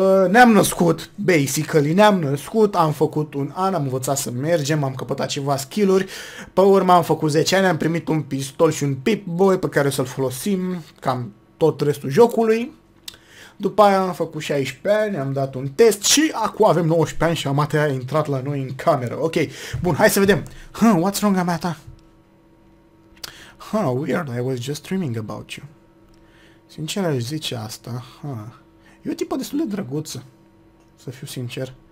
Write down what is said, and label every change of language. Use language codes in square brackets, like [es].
[ro] Ne-am născut, basically, ne-am născut, am făcut un an, am învățat să mergem, am căpătat ceva skill-uri, pe urmă am făcut 10 ani, am primit un pistol și un Pip-Boy pe care o să-l folosim cam tot restul jocului. După aia am făcut 16 ani, am dat un test și acum avem 19 ani și Amatea a intrat la noi în cameră. Ok, bun, hai să vedem. Huh, [en] what's wrong, [ro] Amata? [en] Huh, weird, I was just dreaming about you. [ro] Sincer, aș zice asta, huh. E o tipă destul de drăguță, să fiu sincer.